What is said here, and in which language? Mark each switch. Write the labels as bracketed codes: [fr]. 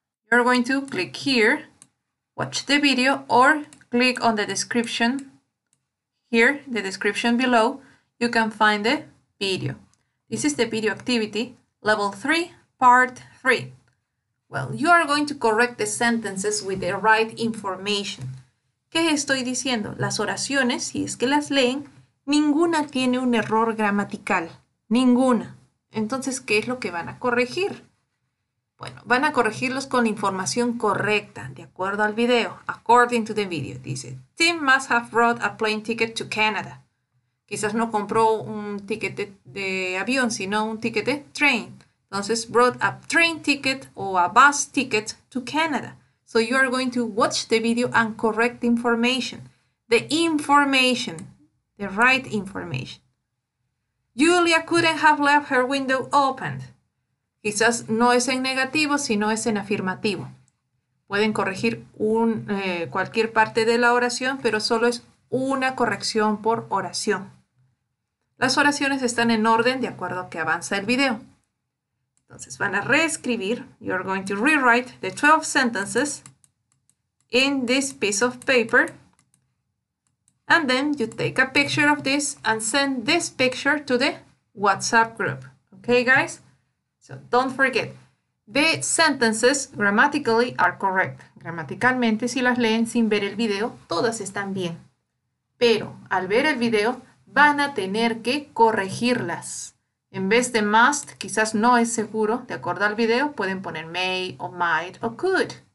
[en] You're going to click here, watch the video, or click on the description here, the description below. You can find the video. This is the video activity, level 3, part 3. Well, you are going to correct the sentences with the right information. [es] ¿Qué estoy diciendo? Las oraciones, si es que las leen, ninguna tiene un error gramatical. Ninguna. Entonces, ¿qué es lo que van a corregir? Bueno, van a corregirlos con la información correcta, de acuerdo al video. [en] According to the video, dice, Tim must have brought a plane ticket to Canada. [es] Quizás no compró un ticket de avión, sino un ticket de train. [en] Entonces, brought a train ticket o a bus ticket to Canada. So you are going to watch the video and correct information. The information. The right information. Julia couldn't have left her window opened. [es] Quizás no es en negativo, sino es en afirmativo. Pueden corregir cualquier parte de la oración, pero solo es una corrección por oración. Las oraciones están en orden de acuerdo a que avanza el video. Entonces van a reescribir, [en] you're going to rewrite the 12 sentences in this piece of paper. And then you take a picture of this and send this picture to the WhatsApp group. Okay, guys? So don't forget, the sentences grammatically are correct. [es] Gramaticalmente, si las leen sin ver el video, todas están bien. Pero al ver el video, van a tener que corregirlas. En vez de must, quizás no es seguro, de acuerdo al video, pueden poner may, o might, o could.